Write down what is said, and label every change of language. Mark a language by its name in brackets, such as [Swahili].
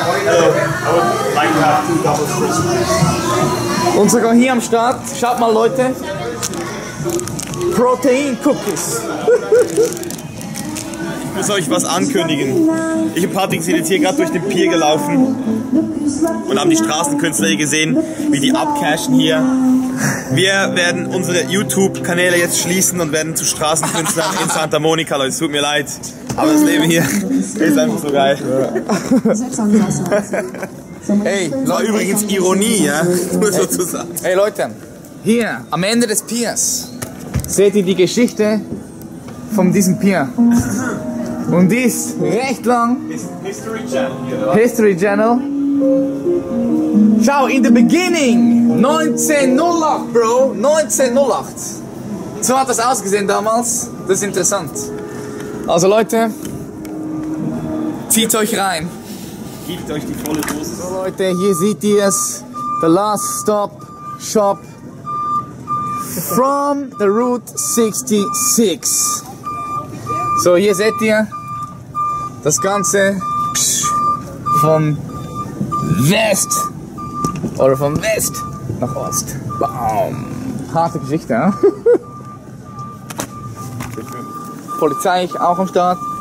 [English] I would like to have two double espresso. [German] Und sogar hier am Start, schaut mal Leute. Protein Cookies. Ich muss euch was ankündigen. Ich und Patrick sind jetzt hier gerade durch den Pier gelaufen und haben die Straßenkünstler gesehen, wie die abcashen hier. Wir werden unsere YouTube-Kanäle jetzt schließen und werden zu Straßenkünstlern in Santa Monica. Leute, es tut mir leid, aber das Leben hier ist einfach so geil. Hey, Leute, übrigens Ironie, ja? Nur sozusagen. Hey Leute, hier am Ende des Piers seht ihr die Geschichte von diesem Pier. Und die ist recht lang. [English] History Channel. Schau, in the beginning, 1908, Bro, 1908. [German] So hat das ausgesehen damals. Das ist interessant. Also Leute, zieht euch rein. Gebt euch die volle Dosis. So Leute, hier seht ihr es. [English] The last stop shop from the Route 66. [German] So, hier seht ihr das Ganze von West. Oder von West nach Ost. Bam. Harte Geschichte, ja? Polizei auch am Start.